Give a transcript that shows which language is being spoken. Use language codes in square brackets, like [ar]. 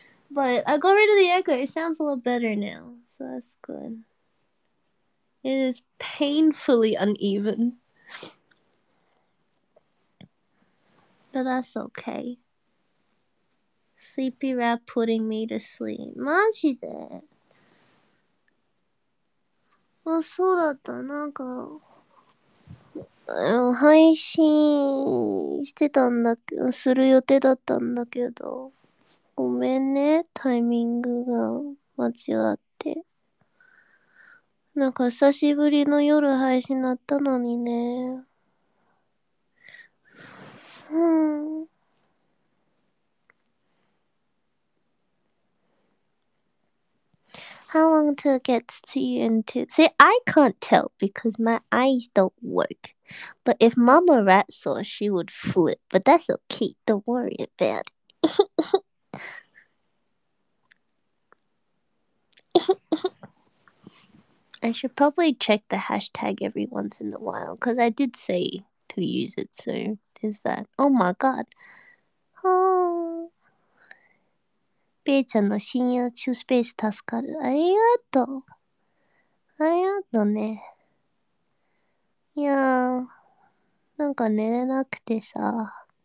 [en] But I got rid of the echo. It sounds a lot better now, so that's good. It is painfully uneven. But that's okay. Sleepy rat putting me to sleep. [ja] マジで? あ、そうだった。なんか、配信してたんだけど、する予定だったんだけど、ごめんね、タイミングが間違って。なんか久しぶりの夜配信だったのにね。 [en] How long till it gets to you in two? See, I can't tell because my eyes don't work. But if Mama Rat saw, she would flip. But that's okay, don't worry about it. I should probably check the hashtag every once in a while because I did say to use it, so there's that. Oh my god. Oh. [ja] ペイちゃんの信用中スペース助かる。ありがとう。ありがとうね。いやー、なんか寝れなくてさ。